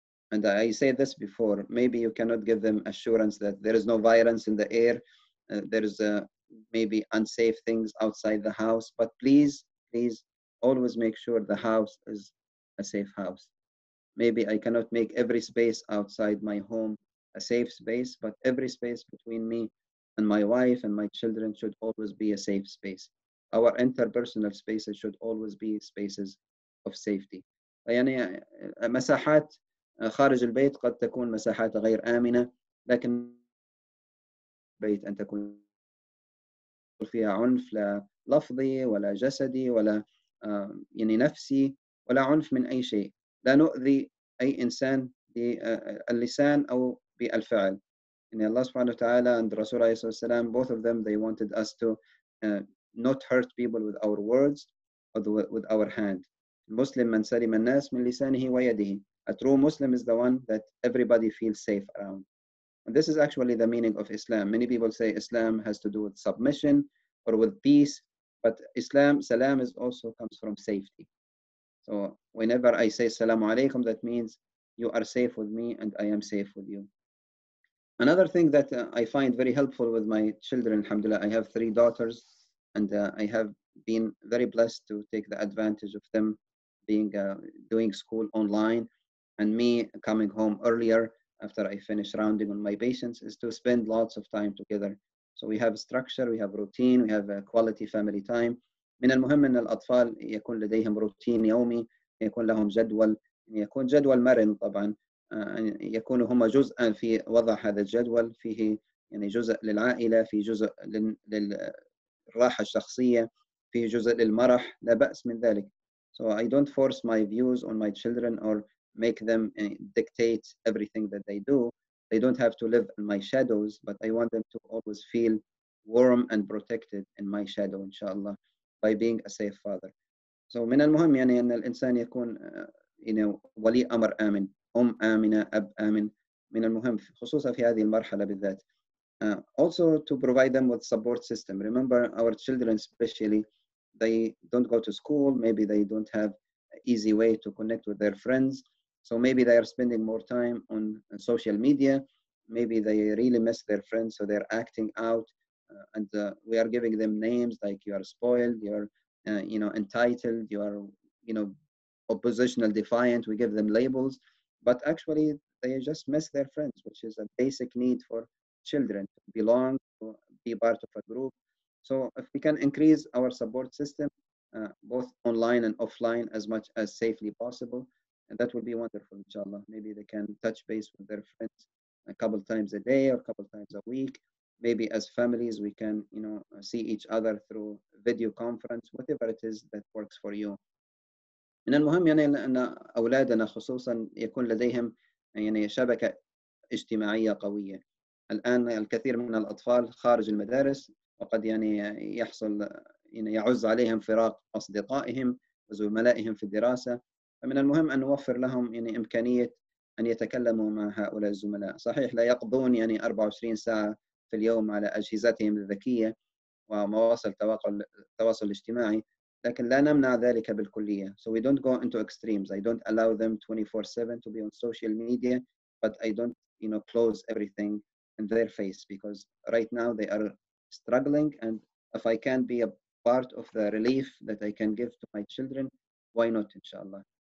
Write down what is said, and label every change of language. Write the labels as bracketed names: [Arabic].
[English] And I said this before, maybe you cannot give them assurance that there is no virus in the air, there's maybe unsafe things outside the house, but please, please always make sure the house is a safe house. Maybe I cannot make every space outside my home a safe space, but every space between me and my wife and my children should always be a safe space. Our interpersonal spaces should always be spaces of safety. [Arabic] يعني مساحات خارج البيت قد تكون مساحات غير آمنة, لكن بيت أن تكون فيها عنف لا لفظي ولا جسدي ولا يعني نفسي ولا عنف من أي شيء. لا نؤذي أي إنسان باللسان أو بالفعل. يعني الله سبحانه وتعالى [English] and [Arabic] رسول الله صلى الله عليه وسلم, [English] both of them, they wanted us to not hurt people with our words or with our hand. [Arabic] Muslim man salima an-nas min lisanihi wa yadihi. [English] A true Muslim is the one that everybody feels safe around. And this is actually the meaning of Islam. Many people say Islam has to do with submission or with peace, but Islam, salam, is also comes from safety. So whenever I say salamu alaykum, that means you are safe with me and I am safe with you. Another thing that I find very helpful with my children, alhamdulillah, I have three daughters, and I have been very blessed to take the advantage of them being doing school online, and me coming home earlier after I finish rounding on my patients is to spend lots of time together. So we have structure, we have routine, we have quality family time. [Arabic] من المهم أن الأطفال يكون لديهم روتين يومي, يكون لهم جدول, يكون جدول مرن طبعاً. يكون هما جزء في وضع هذا الجدول, فيه يعني جزء للعائلة, في جزء للراحة الشخصية, في جزء للمرح, لا بأس من ذلك. [English] So I don't force my views on my children or make them dictate everything that they do. They don't have to live in my shadows, but I want them to always feel warm and protected in my shadow, inshallah, by being a safe father. [Arabic] So من المهم يعني أن الإنسان يكون ولي أمر آمن, أم آمنة, أب آمن, من المهم خصوصا في هذه المرحلة بالذات. [English] Also to provide them with support system. Remember, our children especially, they don't go to school, maybe they don't have an easy way to connect with their friends. So maybe they are spending more time on social media, maybe they really miss their friends, so they're acting out, and we are giving them names like you are spoiled, you are entitled, you are oppositional, defiant. We give them labels, but actually they just miss their friends, which is a basic need for children to belong, to be part of a group. So if we can increase our support system, both online and offline, as much as safely possible, and that will be wonderful, inshallah. Maybe they can touch base with their friends a couple times a day or a couple times a week. Maybe as families, we can, see each other through video conference, whatever it is that works for you. [Arabic] من المهم يعني أن أولادنا خصوصا يكون لديهم يعني شبكة اجتماعية قوية. الآن الكثير من الأطفال خارج المدارس, وقد يعني يحصل يعز عليهم فراق أصدقائهم وزملائهم في الدراسة. فمن المهم أن نوفر لهم إمكانية أن يتكلموا مع هؤلاء الزملاء. صحيح لا يقضون 24 ساعة في اليوم على أجهزتهم الذكية ومواصل التواصل الاجتماعي, لكن لا نمنع ذلك بالكلية. [English] So we don't go into extremes. I don't allow them 24/7 to be on social media, but I don't close everything in their face, because right now they are struggling, and if I can be a part of the relief that I can give to my children, why not, inshallah.